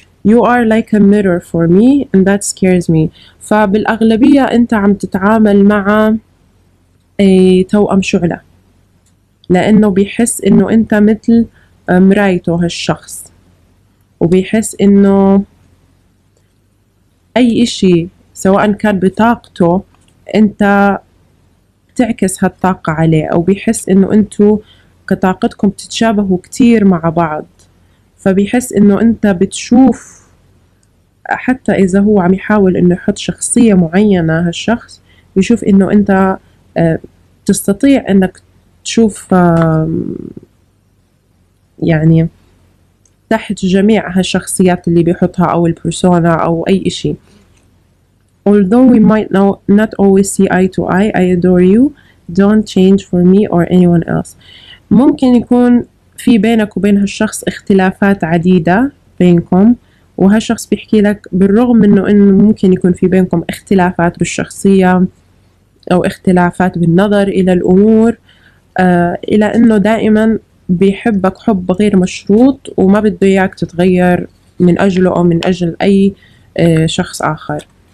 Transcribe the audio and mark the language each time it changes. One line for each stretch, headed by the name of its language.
English: You are like a mirror for me and that scares me.
Arabic: فبالأغلبية أنت عم تتعامل مع توأم شعلة، لأنه بيحس إنه أنت مثل مرايته هالشخص، وبيحس إنه أي إشي سواء كان بطاقته أنت بتعكس هالطاقة عليه، أو بيحس إنه أنتو طاقتكم بتتشابهوا كتير مع بعض، فبيحس إنه أنت بتشوف، حتى إذا هو عم يحاول إنه يحط شخصية معينة هالشخص، بيشوف إنه أنت تستطيع إنك تشوف يعني تحت جميع هالشخصيات اللي بيحطها أو البرسونا أو أي إشي.
English: Although we might not always see eye to eye, I adore you. Don't change for me or anyone else.
Arabic: ممكن يكون في بينك وبين هالشخص اختلافات عديدة بينكم، وهالشخص بيحكي لك بالرغم من انه ممكن يكون في بينكم اختلافات بالشخصية او اختلافات بالنظر الى الامور، الى انه دائما بيحبك حب غير مشروط، وما بده اياك تتغير من اجله او من اجل اي شخص اخر.